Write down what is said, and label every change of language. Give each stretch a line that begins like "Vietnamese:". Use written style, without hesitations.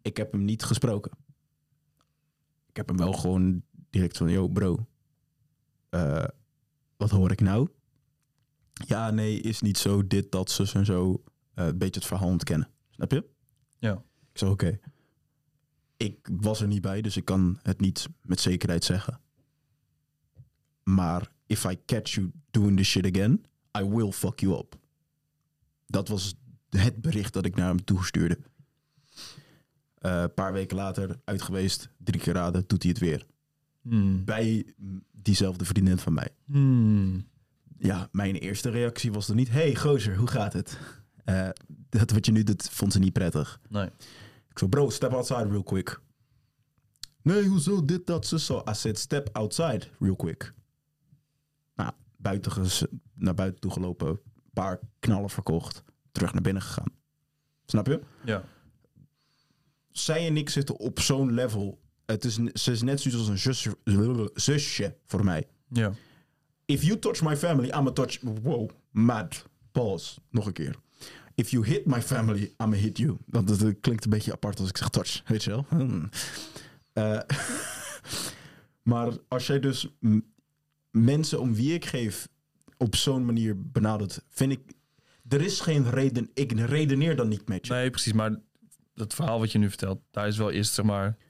Dutch: Ik heb hem niet gesproken. Ik heb hem wel gewoon direct van,
English: yo bro,
Dutch: wat hoor ik nou? Ja, nee, is niet zo dit, dat, zus en zo. Een beetje het verhaal ontkennen. Snap je? Ja. Ik zei, oké. Ik was er niet bij, dus ik kan het niet met zekerheid zeggen. Maar
English: if I catch you doing this shit again, I will fuck you up.
Dutch: Dat was het bericht dat ik naar hem toe stuurde. Paar weken later, uit geweest, 3 keer raden, doet hij het weer. Hmm. Bij diezelfde vriendin van mij. Hmm. Ja, mijn eerste reactie was dan niet, hey gozer, hoe gaat het? Dat wat je nu doet, vond ze niet prettig. Nee. Ik zei, bro,
English: step outside real quick.
Dutch: Nee, hoezo dit, dat, ze zo.
English: I said, step outside real quick.
Dutch: Nou, naar buiten toe gelopen, een paar knallen verkocht, terug naar binnen gegaan. Snap je? Ja. Zij en ik zitten op zo'n level. Ze is net zoiets als een zusje voor mij. Ja.
English: If you touch my family, I'm a touch... Wow, mad. Pause.
Dutch: Nog een keer.
English: If you hit my family, I'm a hit you.
Dutch: Want dat klinkt een beetje apart als ik zeg touch. Weet je wel? maar als jij dus mensen om wie ik geef op zo'n manier benadert, vind ik... Er is geen reden. Ik redeneer dan niet met je. Nee, precies. Maar dat verhaal wat je nu vertelt, daar is wel eerst, zeg maar...